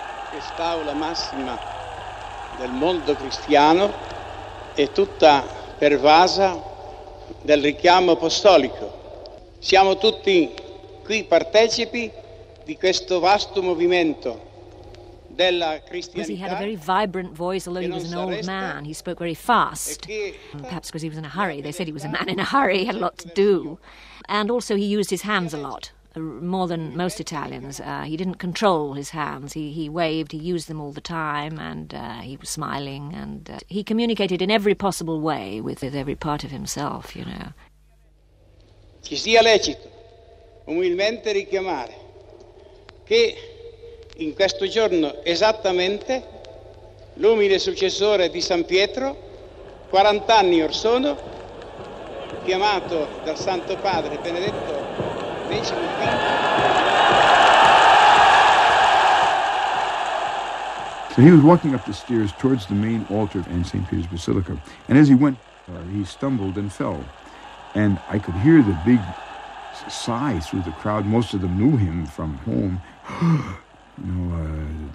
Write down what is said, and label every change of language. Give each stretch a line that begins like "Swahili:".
Italian: Quest'aula massima del mondo cristiano è tutta pervasa del richiamo apostolico. Siamo tutti qui partecipi di questo vasto movimento della cristianità.
English: Because he had a very vibrant voice, although he was an old man. He spoke very fast. Perhaps because he was in a hurry. They said he was a man in a hurry, he had a lot to do. And also he used his hands a lot, more than most Italians. He didn't control his hands. He waved, he used them all the time, and he was smiling, and he communicated in every possible way with every part of himself, you know.
Italian: Ci sia lecito umilmente richiamare che in questo giorno esattamente l'umile successore di San Pietro, 40 anni or sono, chiamato dal Santo Padre Benedetto.
English: So he was walking up the stairs towards the main altar in St. Peter's Basilica, and as he went, he stumbled and fell. And I could hear the big sigh through the crowd. Most of them knew him from home.